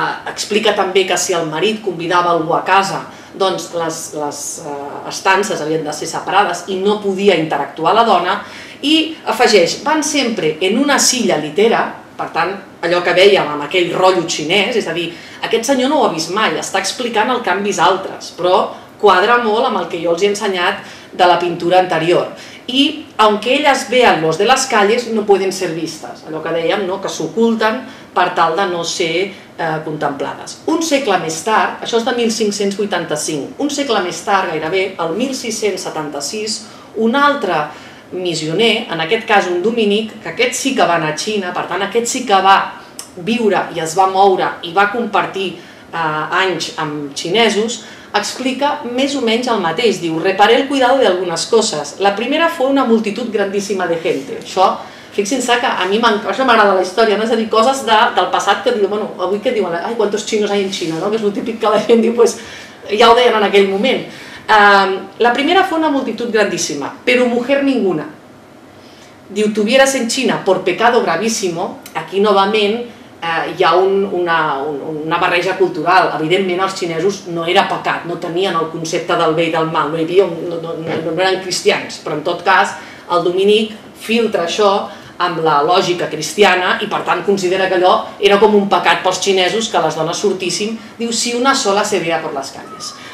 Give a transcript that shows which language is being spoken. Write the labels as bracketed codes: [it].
[ca] Explica també que si el marit convidava algú a casa, doncs les estances havien de ser separades i no podia interactuar la dona, i afegeix, van sempre en una silla litera, Per tant, allò que dèiem amb aquell rotllo xinès, és a dir, aquest senyor no ho ha vist mai, està explicant el que han vist altres, però quadra molt amb el que jo els he ensenyat de la pintura anterior. [es] I, aunque ellas vean los de las calles, no pueden ser vistas, [ca] allò que dèiem, [es] no? [ca] Que s'oculten per tal de no ser contemplades. Un segle més tard, això és de 1585, un segle més tard, gairebé, el 1676, un altre missioner, en aquest cas un dominic, que aquest sí que va anar a Xina, per tant aquest sí que va viure i es va moure i va compartir anys amb xinesos, explica més o menys el mateix, diu, [es] reparé el cuidado de algunas cosas. La primera fue una multitud grandísima de gente. [ca] Això, fixin-se que a mi m'agrada la història, no? És a dir, coses de, del passat que diu, bueno, avui que diuen, ai, [es] quantos chinos hay en China, [ca] no? Que és el típic que la gent diu, pues, ja ho deien en aquell moment. [es] La primera fue una multitud grandísima, pero mujer ninguna. Diu, tuvieras en China por pecado gravísimo, [ca] aquí novament, hi ha una barreja cultural. Evidentment els xinesos no era pecat, no tenien el concepte del bé i del mal, no eren cristians, però en tot cas el dominic filtra això amb la lògica cristiana i per tant considera que allò era com un pecat pels xinesos que les dones sortissin, diu, [es] si una sola se veia [ca] per les calles.